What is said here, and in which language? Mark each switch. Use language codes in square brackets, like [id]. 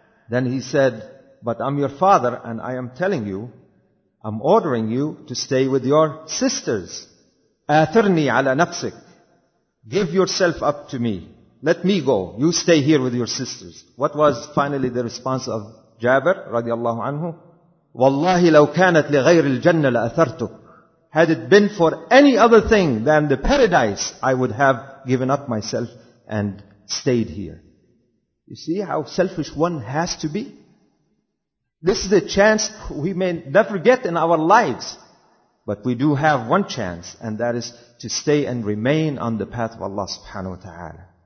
[en] Then he said, but I'm your father and I am telling you, I'm ordering you to stay with your sisters. [ar] آثرني على نفسك. [en] Give yourself up to me. Let me go. You stay here with your sisters. What was finally the response of Jabir رضي الله عنه? [ar] والله لو كانت لغير الجنة لأثرتك. [en] Had it been for any other thing than the paradise, I would have given up myself and stayed here. You see how selfish one has to be? This is a chance we may never get in our lives. But we do have one chance, and that is to stay and remain on the path of Allah subhanahu wa ta'ala.